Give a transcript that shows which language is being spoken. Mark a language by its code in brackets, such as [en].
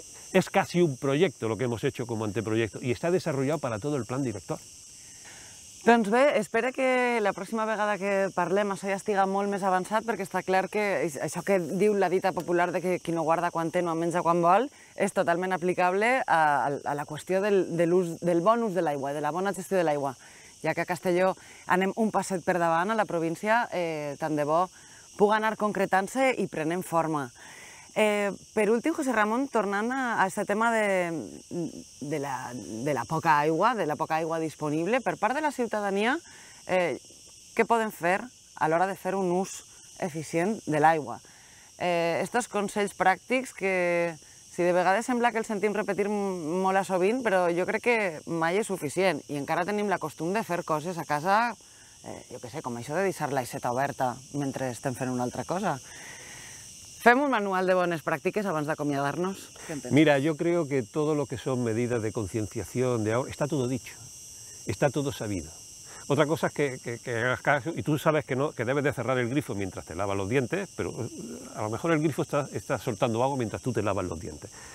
[es] Es casi un proyecto lo que hemos hecho como anteproyecto y está desarrollado para todo el plan director. [ca] Doncs bé, espera que la próxima vegada que parlem això ja estiga molt més avançat, perquè està clar que això que diu la dita popular de que qui no guarda quan té no menja quan vol és totalment aplicable a la qüestió de l'ús del bonus de l'aigua, de la bona gestió de l'aigua. Ja que a Castelló anem un passet per davant a la província, tant de bo puga anar concretant-se i prenent forma. Per últim, José Ramon, tornant a aquest tema de la poca aigua disponible, per part de la ciutadania, què podem fer a l'hora de fer un ús eficient de l'aigua? Estos consells pràctics que, si de vegades sembla que els sentim repetir molt sovint, però jo crec que mai és suficient i encara tenim la costum de fer coses a casa jo què sé, com això de deixar la aixeta oberta mentre estem fent una altra cosa. Fem un manual de bones pràctiques abans d'acomiadar-nos. [es] Mira, jo creo que todo lo que son medidas de concienciación, de ahora, está todo dicho, está todo sabido. Otra cosa es que hagas caso, y tú sabes que, no, que debes de cerrar el grifo mientras te lavas los dientes, pero a lo mejor el grifo está soltando agua mientras tú te lavas los dientes.